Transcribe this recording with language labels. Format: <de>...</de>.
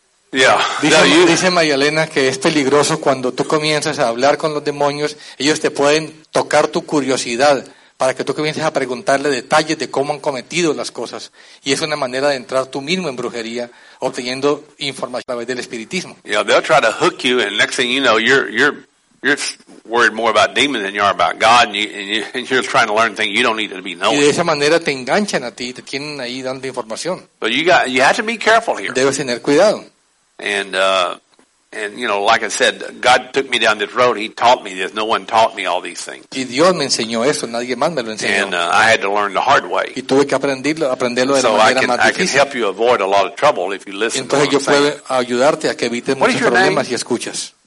<es>Dice María Elena que es peligroso cuando tú comienzas a hablar con los demonios, ellos te pueden tocar tu curiosidad para que tú comiences a preguntarle detalles de cómo han cometido las cosas. Y es una manera de entrar tú mismo en brujería, obteniendo información a través del espiritismo.</es> <en>Yeah, they'll try to hook you, and next thing you know, you're worried more about demons than you are about God, and you're trying to learn things you don't need to be knowing.</en> <es>Y de esa manera te enganchan a ti, te tienen ahí dando información.</es> <en>But you have to be careful here.</en> <es>Debes tener cuidado.</es> <en>And And you know, like I said, God took me down this road. He taught me this. No one taught me all these things.</en> <es>Y Dios me enseñó eso. Nadie más me lo enseñó.</es> <en>And I had to learn the hard way.</en> <es>Y tuve que aprenderlo de la manera más difícil.</es> <en>So I can help you avoid a lot of trouble if you listen.</en> <es>Entonces</es> <en>to what</en> <es>yo puedo ayudarte a que evites muchos problemas si escuchas.</es>